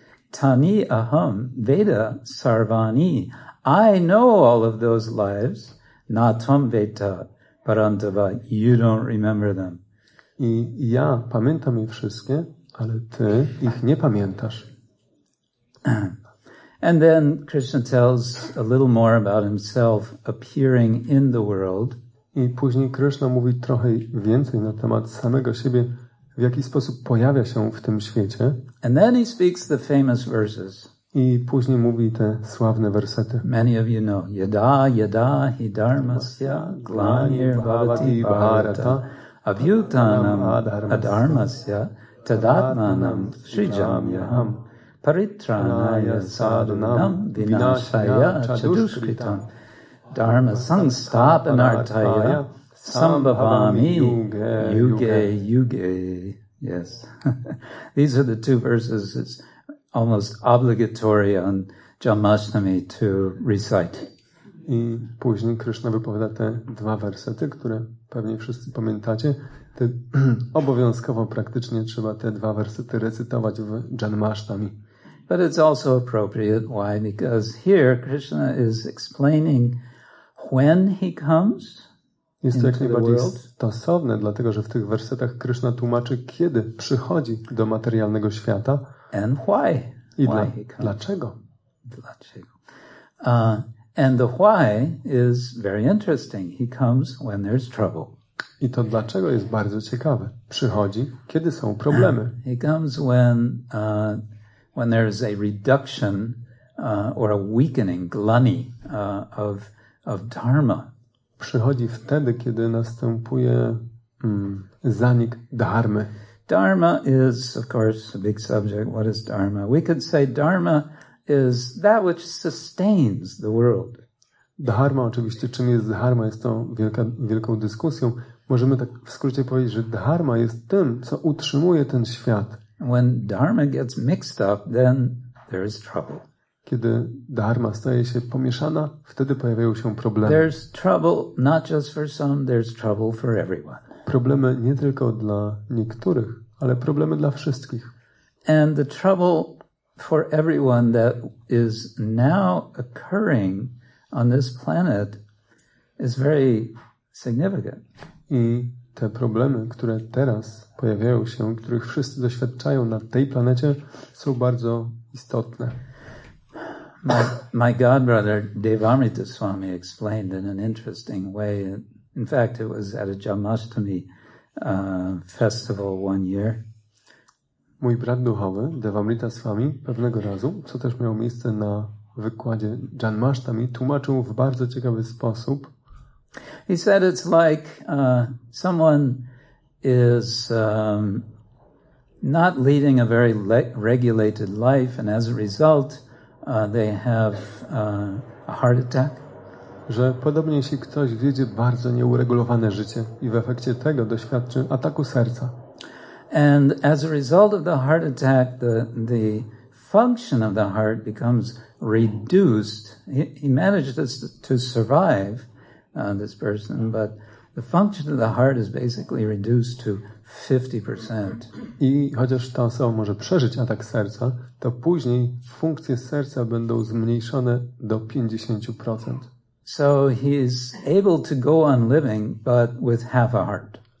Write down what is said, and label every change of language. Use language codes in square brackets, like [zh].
[sa] Tani aham veda sarvani. [en] I know all of those lives. [sa] Na tam veda parantava. [en] You don't remember them. [pl] I ja pamiętam je wszystkie, ale ty ich nie pamiętasz. [en] And then Krishna tells a little more about himself appearing in the world. [pl] I później Krishna mówi trochę więcej na temat samego siebie, w jaki sposób pojawia się w tym świecie. [en] And then he speaks the famous verses. [pl] I później mówi te sławne wersety. [en] Many of you know. [sa] Yada hi dharmasya glanir bhavati bharata avyutanam adharmasya tadatmanam srijamyaham. Paritranaya sadhunam vinashaya chaduskritam dharma sangstapanartaya sambhavami yuge yuge. Yes. [en] These are the two verses it's almost obligatory on Janmashtami to recite. [pl] I później Krishna wypowiada te dwa wersety, które pewnie wszyscy pamiętacie. Obowiązkowo praktycznie trzeba te dwa wersety recytować w Janmashtami. [en] But it's also appropriate. Why? Because here Krishna is explaining when he comes into [pl] Jest to jak najbardziej stosowne, dlatego że w tych wersetach Krishna tłumaczy, kiedy przychodzi do materialnego świata. [en] And why? I why he comes. [pl] Dlaczego? [en] And the why is very interesting. He comes when there's trouble. [pl] I to dlaczego jest bardzo ciekawe. Przychodzi, kiedy są problemy. [en] He comes when when there is a reduction or a weakening, glani, of dharma. [pl] Przychodzi wtedy, kiedy następuje zanik dharmy. [en] Dharma is, of course, a big subject. What is dharma? We could say dharma is that which sustains the world. [pl] Dharma, oczywiście, czym jest dharma, jest to wielką dyskusją. Możemy tak w skrócie powiedzieć, że dharma jest tym, co utrzymuje ten świat. [en] When dharma gets mixed up, then there is trouble. [pl] Kiedy dharma staje się pomieszana, wtedy pojawiają się problemy. [en] There's trouble not just for some, there's trouble for everyone. [pl] Problemy nie tylko dla niektórych, ale problemy dla wszystkich. [en] And the trouble for everyone that is now occurring on this planet is very significant. [pl] I te problemy, które teraz pojawiają się, których wszyscy doświadczają na tej planecie, są bardzo istotne. [en] My godbrother, Devamrita Swami, explained in an interesting way. In fact, it was at a Janmashtami festival one year. [pl] Mój brat duchowy, Devamrita Swami, pewnego razu, co też miało miejsce na wykładzie Janmashtami, tłumaczył w bardzo ciekawy sposób. [en] He said it's like someone is not leading a very regulated life, and as a result, they have a heart attack. [pl] Że podobnie jeśli ktoś wiedzie bardzo nieuregulowane życie i w efekcie tego doświadczy ataku serca. [en] And as a result of the heart attack, the function of the heart becomes reduced. He managed to survive, this person, but the function of the heart is basically reduced to 50%. [pl] I chociaż ta osoba może przeżyć atak serca, to później funkcje serca będą zmniejszone do 50%. [en] So he's able to go on living, but with half a heart.